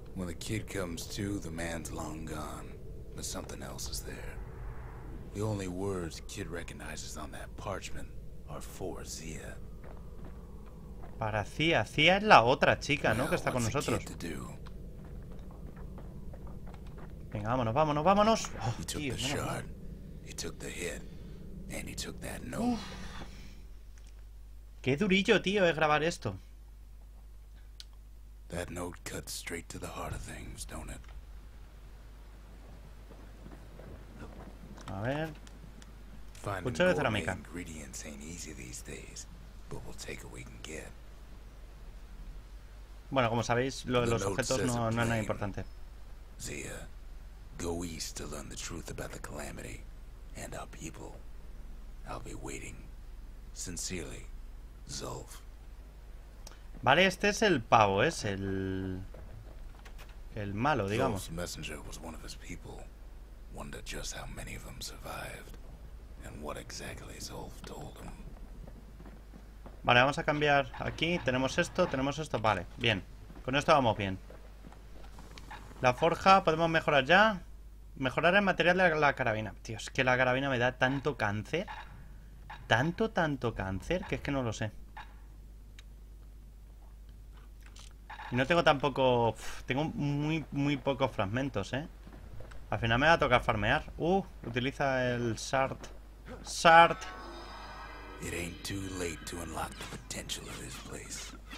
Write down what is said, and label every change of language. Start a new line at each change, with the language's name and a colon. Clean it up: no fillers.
English: When the kid comes to, the man's long gone, but something else is there. The only words kid recognizes on that parchment are for Zia.
Spanish: Para Zia, Zia es la otra chica, ¿no? Well, que está con nosotros. Venga, vámonos, vámonos, vámonos.
English: Oh, he took tío, the no shard, he took the hit, and he took that note.
Spanish: Qué durillo, tío, es grabar esto.
English: That note cuts straight to the heart of things, don't it?
Spanish: A ver. Cuchillo de cerámica.
English: Ingredients ain't easy these days, but we'll take what we can get.
Spanish: Bueno, como sabéis, los objetos no es nada importante.
English: Zia, go east to learn the truth about the calamity and our people. I'll be waiting. Sincerely, Zulf.
Spanish: Vale, este es el pavo, es el malo, digamos.
English: Zulf's messenger was one of his people. Wonder just how many of them survived and what exactly Zulf told them.
Spanish: Vale, vamos a cambiar aquí. Tenemos esto, vale, bien. Con esto vamos bien. La forja, podemos mejorar ya. Mejorar el material de la carabina. Tío, es que la carabina me da tanto cáncer. Tanto cáncer. Que es que no lo sé. Y no tengo tampoco... Tengo muy pocos fragmentos, Al final me va a tocar farmear. Utiliza el Shard. Shard.
English: It ain't too late to unlock the potential of this place.